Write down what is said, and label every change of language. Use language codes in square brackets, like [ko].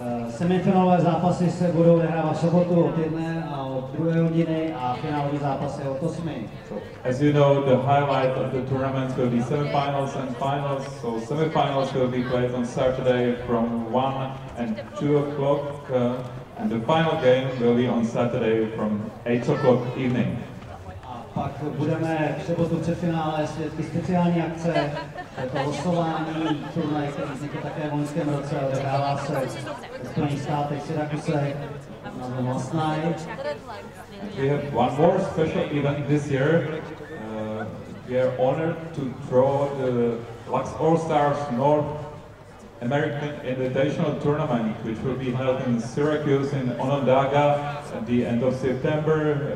[cs] Semifinalové zápasy se budou odehrávat v sobotu od 1 a od 2 hodiny a finálové zápasy od 8. [en] So, as you know, the highlight of the tournament will be semifinals and finals. So semifinals will be played on Saturday from 1 and 2 o'clock. And the final game will be on Saturday from 8 o'clock evening. [cs] A pak budeme v sobotu před finále svědky speciální akce. Je to losování turnaje, který vznikl také v loňském roce. Odehrává se ve Spojených státech, Syrakuse, na Lost Night. [en] We have one more special event this year. We are honored to draw the Lux All-Stars North American Invitational Tournament, which will be held in Syracuse in Onondaga at the end of September.